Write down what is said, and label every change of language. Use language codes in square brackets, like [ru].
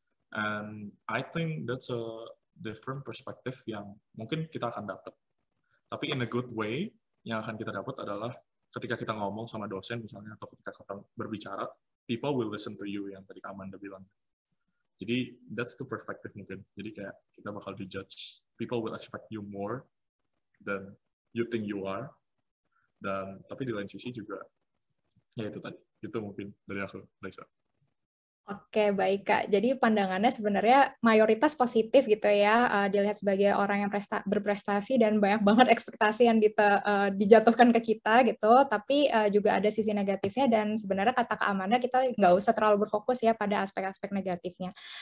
[en] And I think that's a different perspective [id] yang mungkin kita akan dapat. Tapi [en] in a good way, [id] yang akan kita dapat adalah ketika kita ngomong sama dosen misalnya, atau ketika kita berbicara, [en] people will listen to you, [id] yang tadi Amanda bilang. Jadi [en] that's the perspective [id] mungkin. Jadi kayak kita bakal dijudge. [en] People will expect you more than you think you are. [id] Dan tapi di lain sisi juga, ya itu tadi, itu mungkin dari aku, Raisa. Oke, baik Kak, jadi pandangannya sebenarnya mayoritas positif gitu ya, dilihat sebagai orang yang berprestasi dan banyak banget ekspektasi yang dijatuhkan ke kita gitu, tapi juga ada sisi negatifnya, dan sebenarnya kata Kak Amanda, kita nggak usah terlalu berfokus ya pada aspek-aspek negatifnya.